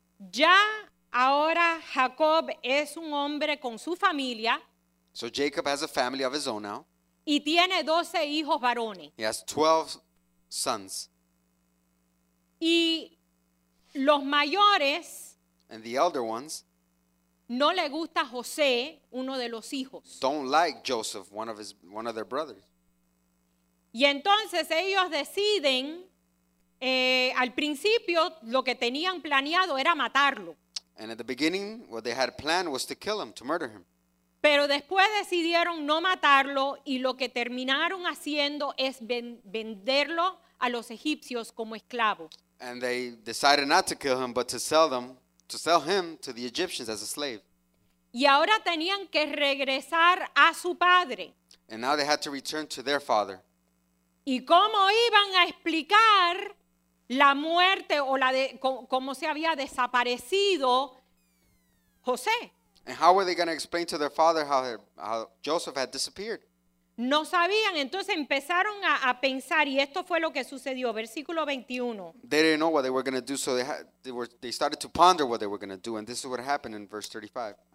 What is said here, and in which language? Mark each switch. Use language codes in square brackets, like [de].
[es] Ya ahora Jacob es un hombre con su familia. [en] So Jacob has a family of his own now. [es] Y tiene 12 hijos varones. [en] He has 12 sons. [es] Y los mayores. [en] And the elder ones. [es] No le gusta José, uno de los hijos. [en] Don't like Joseph, one of their brothers. [es] Y entonces ellos deciden. Al principio lo que tenían planeado era matarlo. [en] And at the beginning what they had planned was to kill him, to murder him. [es] Pero después decidieron no matarlo y lo que terminaron haciendo es venderlo a los egipcios como esclavo. [en] And they decided not to kill him but to sell him to the Egyptians as a slave. [es] Y ahora tenían que regresar a su padre. [en] And now they had to return to their father. [es] ¿Y cómo iban a explicar la muerte o la de cómo se había desaparecido José? [en] And how were they going to explain to their father how Joseph had disappeared? [es] No sabían, entonces empezaron a pensar y esto fue lo que sucedió, versículo 21. [en] They didn't know what they were going to do, so they started to ponder what they were going to do, and this is what happened in verse 35.